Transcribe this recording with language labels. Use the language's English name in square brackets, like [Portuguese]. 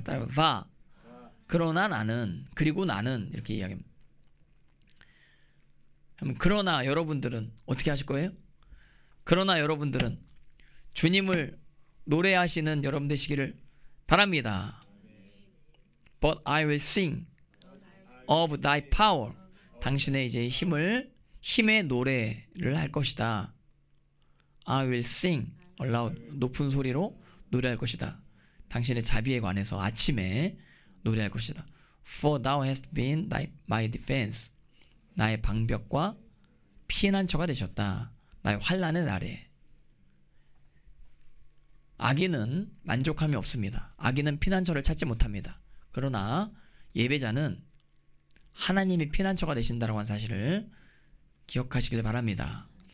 [Korean] 따라 va. 그러나 나는, 그리고 나는 이렇게 이야기합니다. 그럼 그러나 여러분들은 어떻게 하실 거예요? 그러나 여러분들은 주님을 노래하시는 여러분 되시기를 바랍니다. [English] But I will sing of thy power. [Korean] 당신의 이제 힘의 노래를 할 것이다. [English] I will sing aloud, [Korean] 높은 소리로 노래할 것이다. 당신의 자비에 관해서 아침에 노래할 것이다. [English] For thou hast been my defense. [Korean] 나의 방벽과 피난처가 되셨다. 나의 환난의 날에. 악인은 만족함이 없습니다. 악인은 피난처를 찾지 못합니다. 그러나 예배자는 하나님이 피난처가 되신다라고 한 사실을 기억하시길 바랍니다.